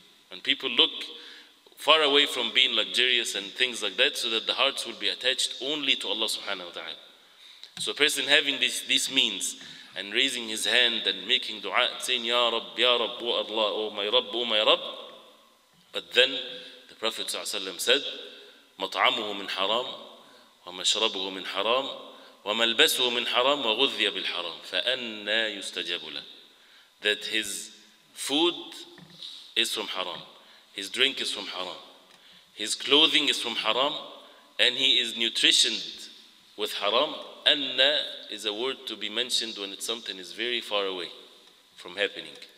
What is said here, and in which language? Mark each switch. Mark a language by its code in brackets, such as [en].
[en] And people look far away from being luxurious and things like that, so that the hearts will be attached only to Allah subhanahu wa ta'ala. So a person having these means and raising his hand and making dua, saying, Ya Rabb, Ya Rabb, O Allah, O my Rabb, O my Rabb. But then the Prophet ﷺ said, [ar] مَطْعَمُهُ مِنْ حَرَامُ وَمَشْرَبُهُ مِنْ حَرَامُ وَمَلْبَسُهُ مِنْ حَرَامُ وَغُذِّيَ بِالْحَرَامُ فَأَنَّا يُسْتَجَبُ لَهُ. [en] That his food is from haram, his drink is from haram, his clothing is from haram, and he is nutritioned with haram. Anna is a word to be mentioned when it's something is very far away from happening.